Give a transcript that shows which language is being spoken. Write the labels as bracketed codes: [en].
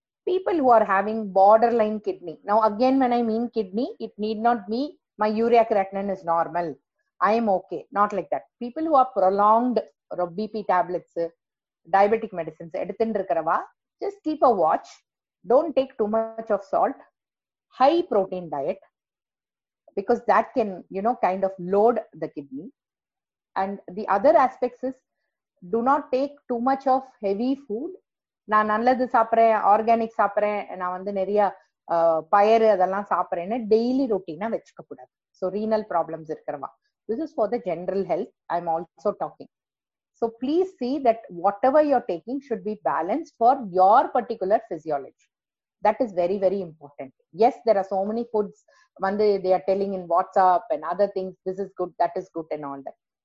[en] People who are having border line kidney, now again when I mean kidney, it need not me my urea creatinine is normal, I am okay, not like that. People who are prolonged BP tablets, diabetic medicines [ta] எடுத்துட்டு இருக்கிறவா, [en] just keep a watch. Don't take too much of salt. High protein diet, because that can, you know, kind of load the kidney. And the other aspects is, do not take too much of heavy food. [ta] நான் நல்லது சாப்பிட்றேன், organic சாப்பிட்றேன், நான் வந்து நிறைய பயிர் அதெல்லாம் சாப்பிட்றேன்னு daily ரொட்டீனா வச்சுக்க கூடாது. [en] So renal problems இருக்கிறவா, this is for the general health I'm also talking. So please see that whatever you're taking should be balanced for your particular physiology. That is very, very important. Yes, there are so many foods when they are telling in WhatsApp and other things, this is good, that is good and all that.